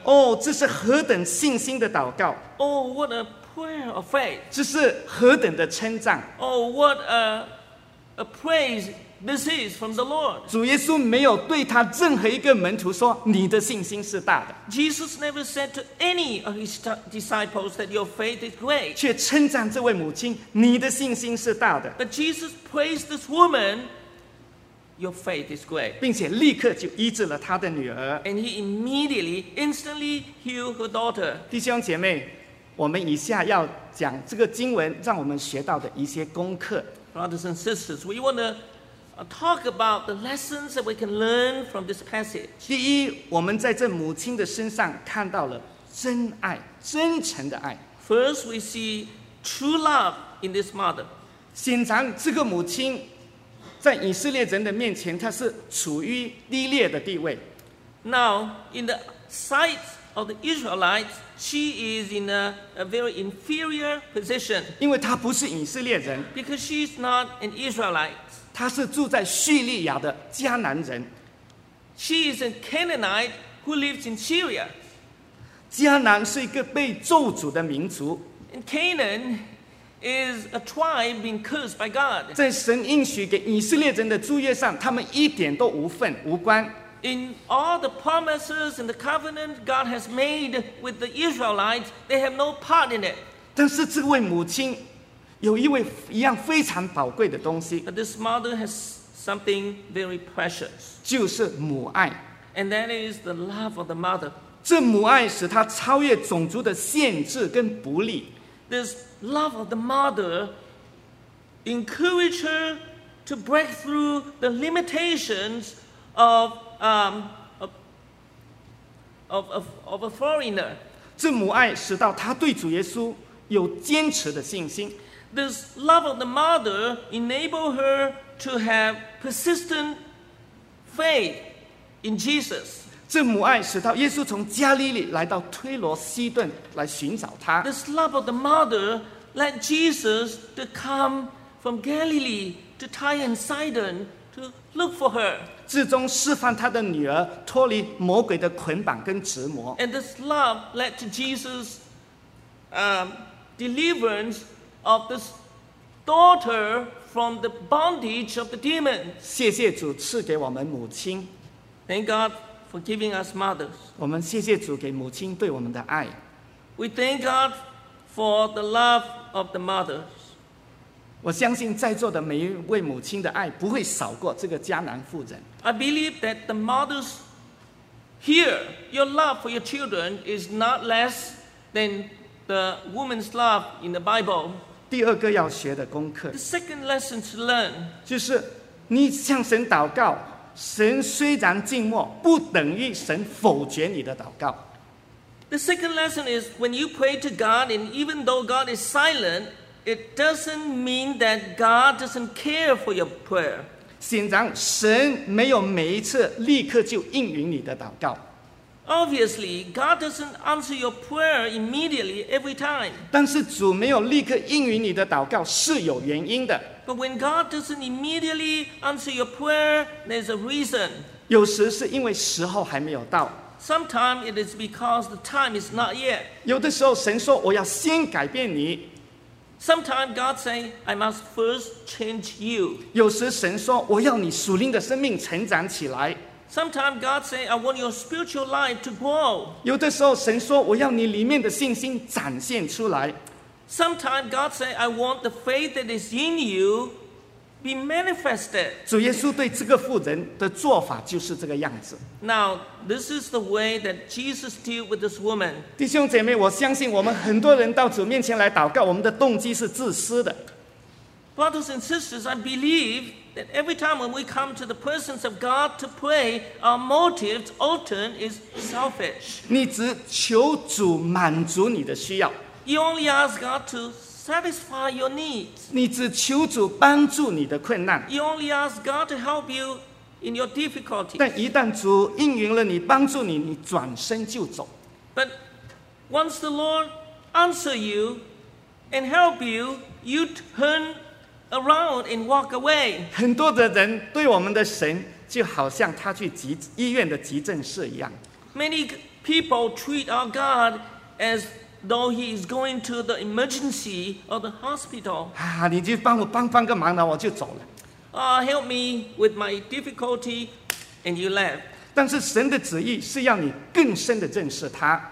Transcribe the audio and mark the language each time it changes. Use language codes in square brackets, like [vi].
[zh] 哦，这是何等信心的祷告。 [en] Oh, what a prayer of faith. [zh] 这是何等的称赞。 [en] Oh, what a praise This is from the Lord. [zh] 主耶稣没有对他任何一个门徒说，你的信心是大的。 [en] Jesus never said to any of his disciples that your faith is great. [zh] 却称赞这位母亲，你的信心是大的。 [en] But Jesus praised this woman, your faith is great. [zh] 并且立刻就医治了他的女儿。 [en] And he immediately, instantly healed her daughter. [zh] 弟兄姐妹，我们以下要讲这个经文让我们学到的一些功课。 [en] Brothers and sisters, we want to talk about the lessons that we can learn from this passage. [zh] 第一，我们在这母亲的身上看到了真爱，真诚的爱。 [en] First, we see true love in this mother. [zh] 显然，这个母亲在以色列人的面前，她是处于低劣的地位。 [en] Now, in the sight of the Israelites, she is in a very inferior position. [zh] 因为她不是以色列人。 [en] Because she is not an Israelite. [zh] 她是住在叙利亚的迦南人。 [en] She is a Canaanite who lives in Syria. [zh] 迦南是一个被咒诅的民族。 [en] And Canaan is a tribe being cursed by God. [zh] 在神应许给以色列人的诸约上，他们一点都无份无关。 [en] In all the promises and the covenant God has made with the Israelites, they have no part in it. [zh] 但是这位母亲有一位一样非常宝贵的东西。 [en] But this mother has something very precious. [zh] 就是母爱。 [en] And that is the love of the mother. [zh] 这母爱使她超越种族的限制跟不利。 [en] This love of the mother encouraged her to break through the limitations of a foreigner. [zh] 这母爱使到她对主耶稣有坚持的信心。 [en] This love of the mother enabled her to have persistent faith in Jesus. [zh] 这母爱使到耶稣从加利利来到推罗西顿来寻找他。 [en] This love of the mother led Jesus to come from Galilee to Tyre and Sidon to look for her. [zh] 最终释放他的女儿脱离魔鬼的捆绑跟折磨。 [en] And this love led to Jesus, deliverance. Of this daughter from the bondage of the demon. [zh] 谢谢主赐给我们母亲。 [en] Thank God for giving us mothers. [zh] 我们谢谢主给母亲对我们的爱。 [en] We thank God for the love of the mothers. [zh] 我相信在座的每一位母亲的爱不会少过这个迦南妇人。 [en] I believe that the mothers here, your love for your children is not less than. The woman's love in the Bible. [zh] 第二个要学的功课。 [en] The second lesson to learn. [zh] 就是你向神祷告，神虽然静默，不等于神否决你的祷告。 [en] The second lesson is when you pray to God, and even though God is silent, it doesn't mean that God doesn't care for your prayer. [zh] 显然，神没有每一次立刻就应允你的祷告。 [en] Obviously, God doesn't answer your prayer immediately every time. [zh] 但是主没有立刻应允你的祷告是有原因的。 [en] But when God doesn't immediately answer your prayer, there's a reason. [zh] 有时是因为时候还没有到。 [en] Sometimes it is because the time is not yet. [zh] 有的时候神说我要先改变你。 [en] Sometimes God says, I must first change you. [zh] 有时神说我要你属灵的生命成长起来。 [en] Sometimes God says, I want your spiritual life to grow. [zh] 有的时候神说我要你里面的信心展现出来。 [en] Sometimes God says, I want the faith that is in you be manifested. [zh] 主耶稣对这个妇人的做法就是这个样子。 [en] Now, this is the way that Jesus dealt with this woman. [zh] 弟兄姐妹，我相信我们很多人到主面前来祷告，我们的动机是自私的。 [en] Brothers and sisters, I believe that every time when we come to the presence of God to pray, our motive often is selfish. [zh] 你只求主满足你的需要。 [en] You only ask God to satisfy your needs. [zh] 你只求主帮助你的困难。 [en] You only ask God to help you in your difficulties. [zh] 但一旦主应允了你，帮助你，你转身就走。 [en] But once the Lord answer you and help you, you turn around and walk away. [zh] 很多的人对我们的神就好像他去医院的急诊室一样。 [en] Many people treat our God as though he is going to the emergency or the hospital. [zh] 啊，你就帮我帮个忙，然后我就走了。 [en] help me with my difficulty, and you left. [zh] 但是神的旨意是要你更深的认识他。